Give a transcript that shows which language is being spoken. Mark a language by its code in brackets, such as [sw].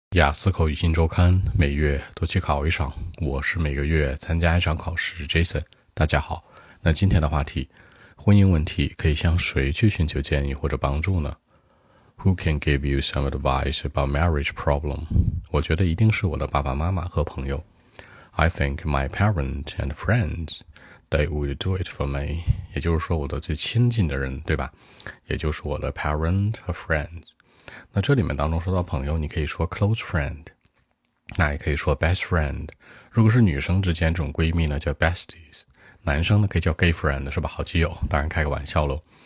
[zh] 雅思口语新周刊每月都去考一场，我是每个月参加一场考试 Jason。大家好，那今天的话题，婚姻问题可以向谁去寻求建议或者帮助呢？ [en] Who can give you some advice about marriage problem? [zh] 我觉得一定是我的爸爸妈妈和朋友。 [en] I think my parents and friends, they would do it for me. [zh] 也就是说我的最亲近的人，对吧？也就是我的 parents 和 friends。那这里面当中说到朋友，你可以说 close friend， 那也可以说 best friend。如果是女生之间这种闺蜜呢，叫 besties， 男生呢可以叫 gay friend， 是吧？好基友，当然开个玩笑咯。